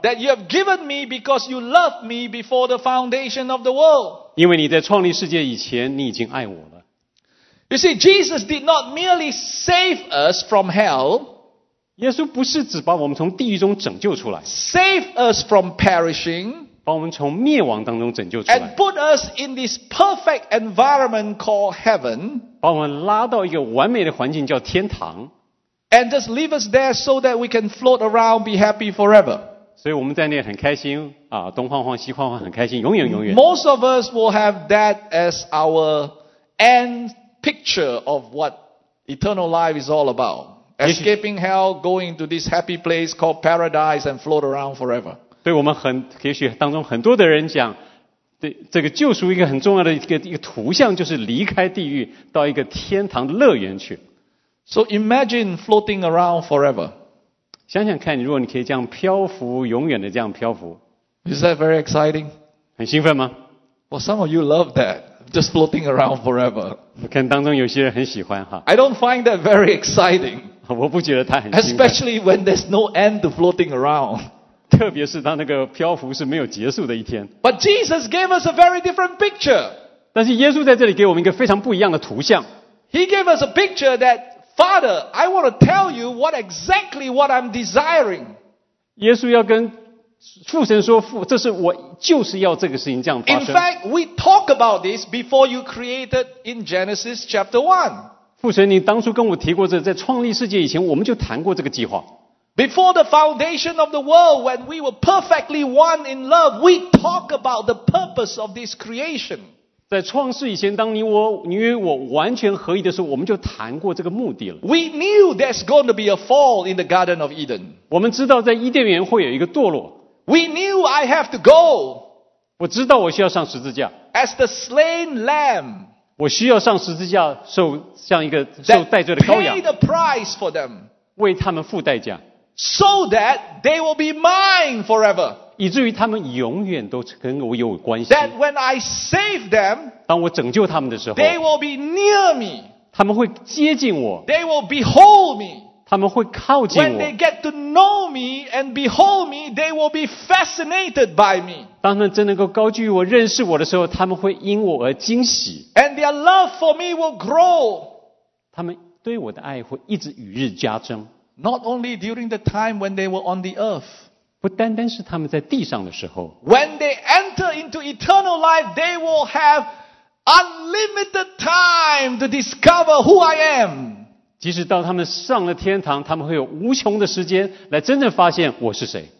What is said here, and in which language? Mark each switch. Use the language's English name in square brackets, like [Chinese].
[English] That you have given me because you loved me before the foundation of the world. [Chinese] 因为你在创立世界以前，你已经爱我了。 [English] You see, Jesus did not merely save us from hell. [Chinese] 耶稣不是只把我们从地狱中拯救出来。 [English] Save us from perishing. [Chinese] 把我们从灭亡当中拯救出来。 [English] And put us in this perfect environment called heaven. [Chinese] 把我们拉到一个完美的环境叫天堂。 [English] And just leave us there so that we can float around, be happy forever. [Chinese] 所以我们在那很开心啊，东晃晃西晃晃很开心，永远永远。 [English] Most of us will have that as our end picture of what eternal life is all about. Escaping hell, going to this happy place called paradise and float around forever. [Chinese] 对我们很，也许当中很多的人讲，对这个救赎一个很重要的一个图像，就是离开地狱到一个天堂乐园去。 [English] So imagine floating around forever. [Chinese] 想想看，如果你可以这样漂浮，永远的这样漂浮。 [English] Is that very exciting? [Chinese] 很兴奋吗 [English] ？Well, some of you love that, just floating around forever. [Chinese] 我看当中有些人很喜欢哈。 [English] I don't find that very exciting. [Chinese] 我不觉得它很兴奋。 [English] Especially when there's no end to floating around. [Chinese] 特别是他那个漂浮是没有结束的一天。 [English] But Jesus gave us a very different picture. [Chinese] 但是耶稣在这里给我们一个非常不一样的图像。 [English] He gave us a picture that, Father, I want to tell you what exactly what I'm desiring. [Chinese] 耶稣要跟父神说，父，这是我就是要这个事情这样发生。 [English] In fact, we talk about this before you created in Genesis chapter 1. [Chinese] 父神，你当初跟我提过这，在创立世界以前，我们就谈过这个计划。 [English] Before the foundation of the world, when we were perfectly one in love, we talk about the purpose of this creation. [Chinese] 在创世以前，当你与我完全合一的时候，我们就谈过这个目的了。 [English] We knew there's going to be a fall in the Garden of Eden. [Chinese] 我们知道在伊甸园会有一个堕落。 [English] We knew I have to go. [Chinese] 我知道我需要上十字架。 [English] As the slain lamb. [Chinese] 我需要上十字架，受像一个受代罪的羔羊。 [English] That pay the price for them. [Chinese] 为他们付代价。 [English] So that they will be mine forever. [Chinese] 以至于他们永远都跟我有关系。 [English] That when I save them, [Chinese] 当我拯救他们的时候， [English] they will be near me. [Chinese] 他们会接近我。 [English] They will behold me. [Chinese] 他们会靠近我。 [English] When they get to know me and behold me, they will be fascinated by me. [Chinese] 当他们真能够高举我、认识我的时候，他们会因我而惊喜。 [English] And their love for me will grow. [Chinese] 他们对我的爱会一直与日加增。 [English] Not only during the time when they were on the earth. [Chinese] 不单单是他们在地上的时候。 [English] When they enter into eternal life, they will have unlimited time to discover who I am. [Chinese] 即使到他们上了天堂，他们会有无穷的时间来真正发现我是谁。